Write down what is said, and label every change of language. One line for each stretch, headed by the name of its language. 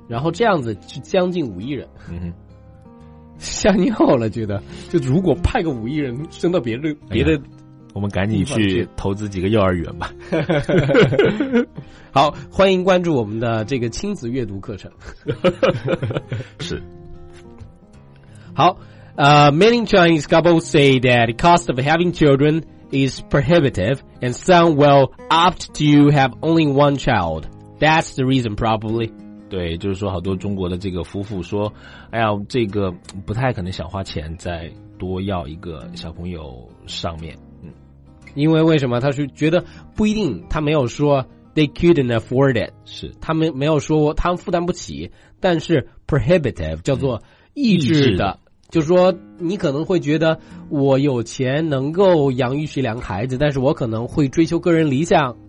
Chinese: 然后这样子是将近5亿人。嗯，吓你好了，觉得就如果派个5亿人升到别的、哎，我们赶紧去投资几个幼儿园吧。好，欢迎关注我们的这个亲子阅读课程。是。
English: 好，many Chinese couples say that the cost of having children is prohibitive, and some will opt to have only one child. That's the reason, probably.
Chinese: 对，就是说好多中国的这个夫妇说，哎呀，这个不太可能想花钱再多要一个小朋友上面，因为为什么，他是觉得不一定，他没有说
English: they couldn't afford it，
Chinese: 是他们没有说他们负担不起，但是 prohibitive 叫做抑制的，就是说你可能会觉得我有钱能够养育起两个孩子，但是我可能会追求个人理想，